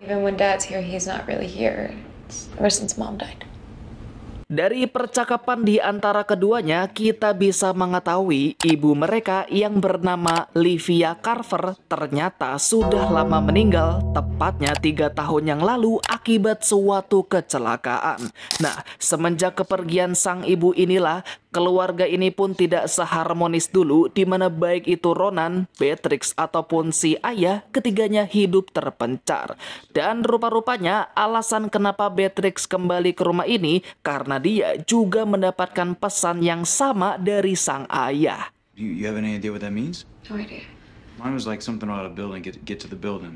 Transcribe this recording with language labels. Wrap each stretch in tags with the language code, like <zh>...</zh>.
<en>Even when dad's here, he's not really here. It's ever since mom died.</en> <id>Dari percakapan di antara keduanya, kita bisa mengetahui ibu mereka yang bernama Livia Carver ternyata sudah lama meninggal, tepatnya 3 tahun yang lalu akibat suatu kecelakaan. Nah, semenjak kepergian sang ibu inilah, keluarga ini pun tidak seharmonis dulu, di mana baik itu Ronan, Beatrix, ataupun si ayah, ketiganya hidup terpencar. Dan rupa-rupanya alasan kenapa Beatrix kembali ke rumah ini karena dia juga mendapatkan pesan yang sama dari sang ayah.</id> <en>You have any idea what that means? No idea. Mine was like something out of building, get to the building.</en>